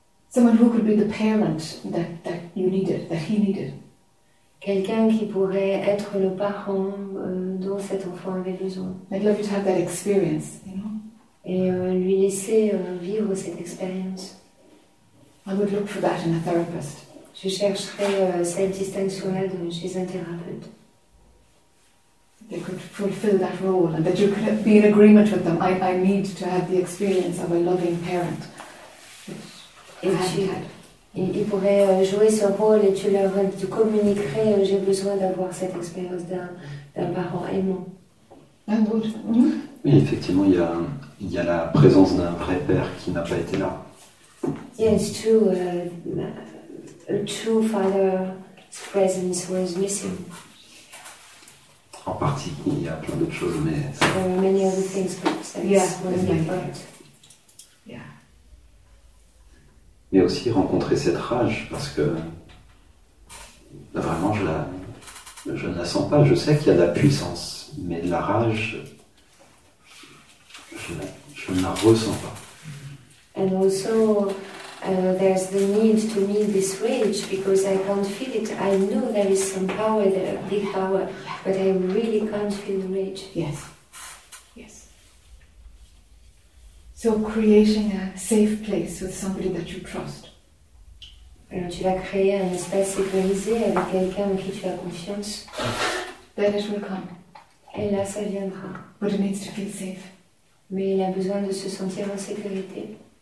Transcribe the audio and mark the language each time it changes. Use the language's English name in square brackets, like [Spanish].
[English] Someone who could be the parent that you needed, that he needed. [French] Quelqu'un qui pourrait être le parent dont cet enfant avait besoin. [English] I'd love you to have that experience, you know. [French] Et lui laisser vivre cette expérience. [English] I would look for that in a therapist. [French] Je chercherais cette distinction-là chez un thérapeute. [English] They could fulfill that role and that you could be in agreement with them. I need to have the experience of a loving parent. [French] Il pourrait jouer ce rôle et tu communiquerais j'ai besoin d'avoir cette expérience d'un parent aimant. [English] I would. [French] Oui, effectivement, il y a la présence d'un vrai père qui n'a pas été là. [English] Yes, true. A true father's presence was missing. [French] En partie, il y a plein d'autres choses, mais. [English] There are many other things, but that's one of my parts. [French] Mais aussi rencontrer cette rage, parce que vraiment, je ne la sens pas. Je sais qu'il y a de la puissance, mais de la rage. [English] And also, there's the need to meet this rage because I can't feel it. I know there is some power there, big power, but I really can't feel the rage. Yes. Yes. So creating a safe place with somebody that you trust. [French] Alors tu vas créer un espace sécurisé avec quelqu'un en qui tu as confiance. [English] Then it will come. [French] Et là, ça viendra. [English] But it needs to feel safe. [French] Mais il a besoin de se sentir en sécurité.